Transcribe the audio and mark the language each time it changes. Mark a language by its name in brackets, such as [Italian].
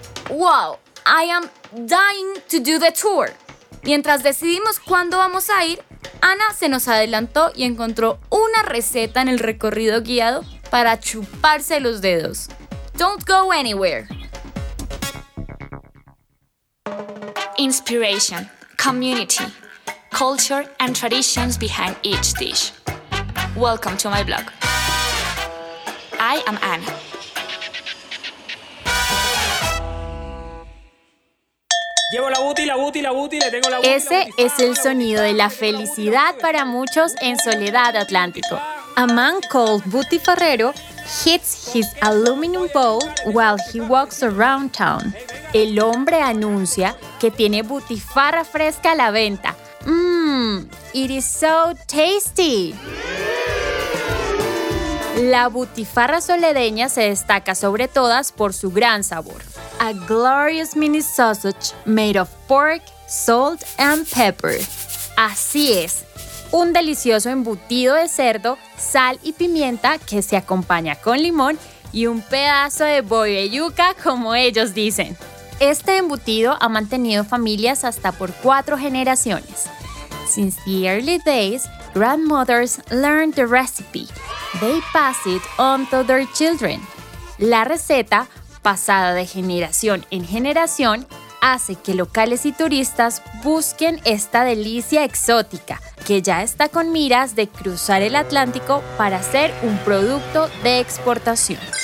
[English] Wow, I am dying to do the tour. [Spanish] Mientras decidimos cuándo vamos a ir, Ana se nos adelantó y encontró una receta en el recorrido guiado para chuparse los dedos. [English] Don't go anywhere. Inspiration, community, culture and traditions behind each dish. Welcome to my blog. I am Ana. [Spanish] Llevo la booty, la booty, la booty, le tengo la booty. Ese la booty. Es el sonido de la felicidad para muchos en Soledad Atlántico. [English] A man called Booty Ferrero hits his aluminum bowl while he walks around town. [Spanish] El hombre anuncia que tiene butifarra fresca a la venta. [English] Mmm, it is so tasty. [Spanish] La butifarra soledeña se destaca sobre todas por su gran sabor. [English] A glorious mini sausage made of pork, salt and pepper. [Spanish] Así es, un delicioso embutido de cerdo, sal y pimienta que se acompaña con limón y un pedazo de bollo de yuca, como ellos dicen. Este embutido ha mantenido familias hasta por 4 generaciones. [English] Since the early days, grandmothers learned the recipe. They pass it on to their children. [Spanish] La receta, pasada de generación en generación, hace que locales y turistas busquen esta delicia exótica, que ya está con miras de cruzar el Atlántico para ser un producto de exportación.